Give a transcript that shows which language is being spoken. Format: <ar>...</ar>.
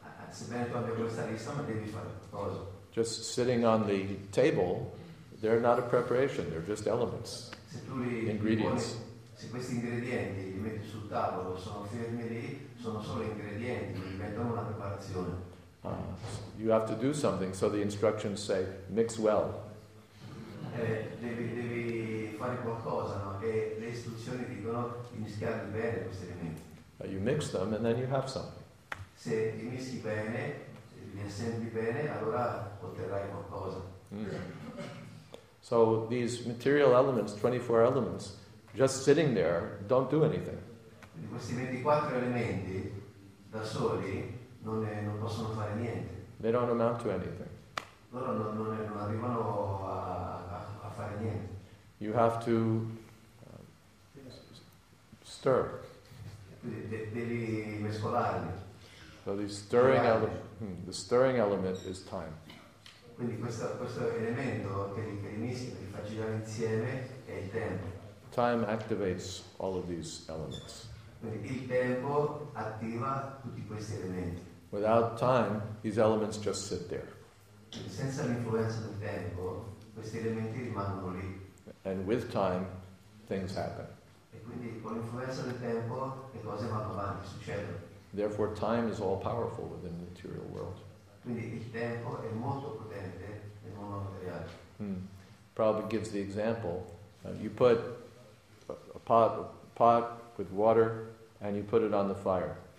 <it>Sebbene tu abbia questa lista, ma devi fare qualcosa.</it> <en>Just sitting on the table, they're not a preparation, they're just elements.</en> <it>Se tu li</it> <en>ingredients.</en> <it>Pone, se questi ingredienti li metti sul tavolo, sono fermi lì, sono solo ingredienti, diventano una preparazione.</it> <en>You have to do something, so the instructions say, mix well.</en> <it>Devi fare qualcosa, no? E le istruzioni dicono di mischiare bene questi elementi.</it> <en>You mix them and then you have something.</en> <it>Se li mischi bene, li assembli bene, allora otterrai qualcosa.</it> <en>So these material elements, 24 elements, just sitting there, don't do anything.</en> <it>Questi 24 elementi da soli non possono fare niente.</it> <en>They don't amount to anything.</en> <it>Loro non arrivano a fare niente.</it> <en>You have to stir.</en> <it>Devi mescolarli.</it> <en>So the stirring element is time.</en> <it>Quindi questo elemento che inizia, che fa girare insieme, è il tempo.</it> <en>Time activates all of these elements.</en> <it>Quindi il tempo attiva tutti questi elementi.</it> <en>Without time, these elements just sit there.</en> <it>Senza l'influenza del tempo, questi elementi rimangono lì.</it> <en>And with time, things happen.</en> <it>E quindi con l'influenza del tempo, le cose vanno avanti, succedono.</it> <en>Therefore, time is all powerful within the material world.</en> <it>Quindi il tempo è molto potente nel mondo materiale.</it> <en>Prabhupada gives the example You put a pot with water and you put it on the fire.</en>